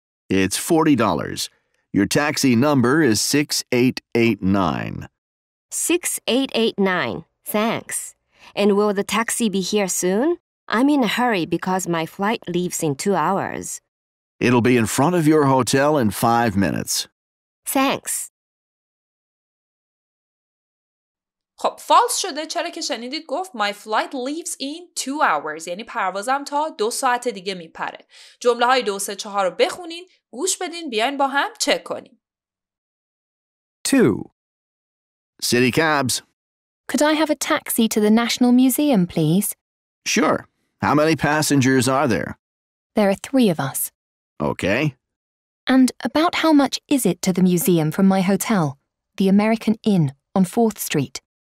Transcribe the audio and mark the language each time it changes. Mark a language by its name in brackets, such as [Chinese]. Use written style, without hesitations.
[English] It's $40. Your taxi number is 6889. 6889. Thanks. And will the taxi be here soon? I'm in a hurry because my flight leaves in 2 hours. It'll be in front of your hotel in 5 minutes. Thanks. [Persian] خب فالس شده چرا که شنیدید گفت [English] my flight leaves in 2 hours [Persian] یعنی پروازم تا 2 ساعت دیگه میپره. جمله های 2, 3, 4 رو بخونین، گوش بدین، بیاین با هم چک کنیم. [English] 2. City cabs. Could I have a taxi to the National Museum, please? Sure. How many passengers are there? There are 3 of us. Okay. And about how much is it to the museum from my hotel, the American Inn on 4th Street?